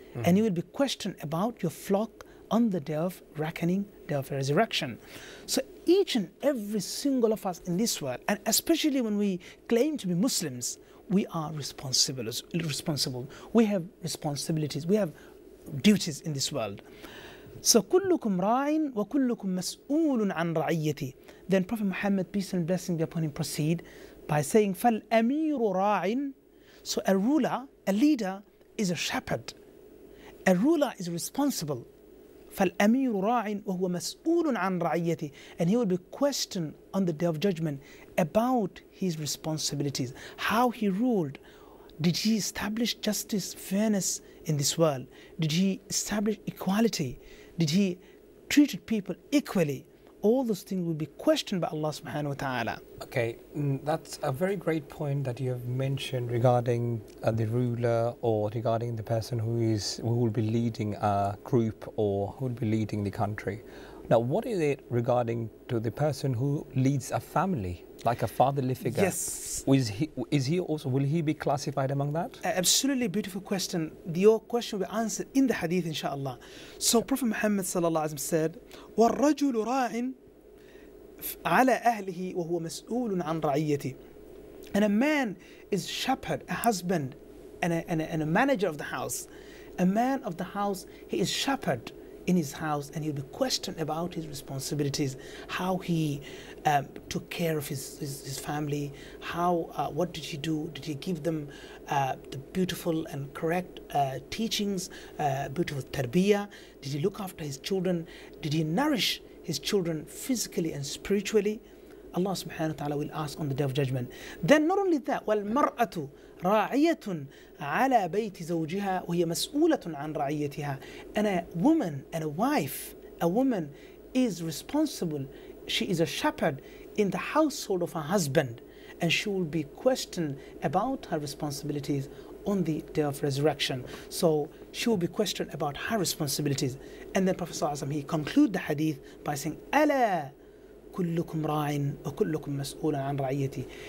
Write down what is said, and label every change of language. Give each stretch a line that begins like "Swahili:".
English: And you will be questioned about your flock on the day of reckoning, day of resurrection. So each and every single of us in this world, and especially when we claim to be Muslims, we are responsible. We have responsibilities. We have duties in this world.
Arabic: So كلكم راعٍ وكلكم مسؤولٌ عن رعيتي.
English: Then Prophet Muhammad, peace and blessings be upon him, proceed by saying
Arabic: فالأمير راعٍ.
English: So a ruler, a leader, is a shepherd. A ruler is responsible.
Arabic: فالأمير راعٍ وهو مسؤول عن رعيته.
English: And he will be questioned on the day of judgment about his responsibilities. How he ruled. Did he establish justice, fairness in this world? Did he establish equality? Did he treat people equally? All those things will be questioned by Allah subhanahu wa ta'ala. Okay, that's a very great point that you have mentioned regarding the ruler, or regarding the person who will be leading a group, or who will be leading the country. Now, what is it regarding to the person who leads a family, like a fatherly figure? Yes. Will he be classified among that? Absolutely beautiful question. Your question will be answered in the hadith, inshallah. So Prophet Muhammad sallallahu alaihi wasallam said,
Arabic: والرجل راع على أهله وهو مسؤول عن رعيته.
English: And a man is shepherd, a husband, and a manager of the house. A man of the house, he is shepherd, in his house and he'll be questioned about his responsibilities, how he took care of his family, what did he do? Did he give them the beautiful and correct teachings, beautiful tarbiyah? Did he look after his children? Did he nourish his children physically and spiritually? Allah subhanahu wa ta'ala will ask on the Day of Judgment. Then not only that,
Arabic: وَالْمَرْأَةُ رَاعِيَةٌ عَلَى بَيْتِ زَوْجِهَا وَهِيَ مَسْؤُولَةٌ عَنْ رَاعِيَتِهَا.
English: And a woman and a wife, a woman is responsible. She is a shepherd in the household of her husband. And she will be questioned about her responsibilities on the Day of Resurrection. So she will be questioned about her responsibilities. And then Prophet Sallallahu Alaihi Wasallam, he conclude the hadith by saying,
Arabic: أَلَا كُلُّكُمْ رَاعٍ وَكُلُّكُمْ مَسْؤُولًا عَنْ رَعِيَتِي.